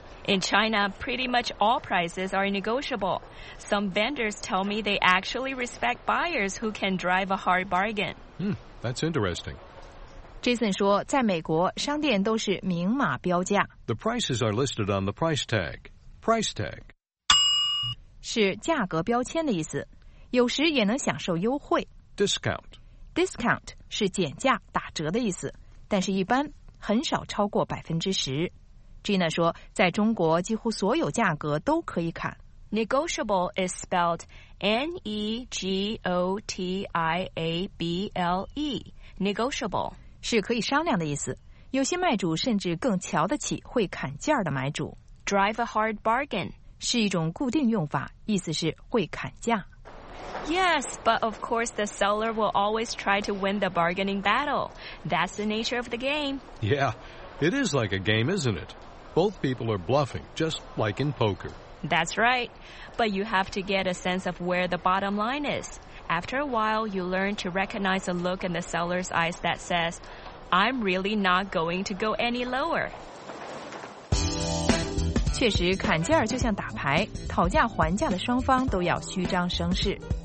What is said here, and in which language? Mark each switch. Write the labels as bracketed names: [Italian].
[English] In China, pretty much all prices are negotiable. Some vendors tell me they actually respect buyers who can drive a hard bargain. That's interesting. [Chinese] Jason 说在美国商店都是明码标价。 [English] The prices are listed on the price tag. Price tag. [Chinese] 是价格标签的意思，有时也能享受优惠。 [English] Discount. [Chinese] Discount 是减价打折的意思，但是一般很少超过10%。 Gina 说在中国几乎所有价格都可以砍。 [English] Negotiable is spelled N-E-G-O-T-I-A-B-L-E. Negotiable. [Chinese] 是可以商量的意思，有些卖主甚至更瞧得起会砍价的买主。 [English] Drive a hard bargain [Chinese] 是一种固定用法，意思是会砍价。 [English] Yes, but of course the seller will always try to win the bargaining battle. That's the nature of the game. Yeah, it is like a game, isn't it? Both people are bluffing, just like in poker. That's right, but you have to get a sense of where the bottom line is. After a while, you learn to recognize a look in the seller's eyes that says, I'm really not going to go any lower. [Chinese] 确实，砍价就像打牌，讨价还价的双方都要虚张声势。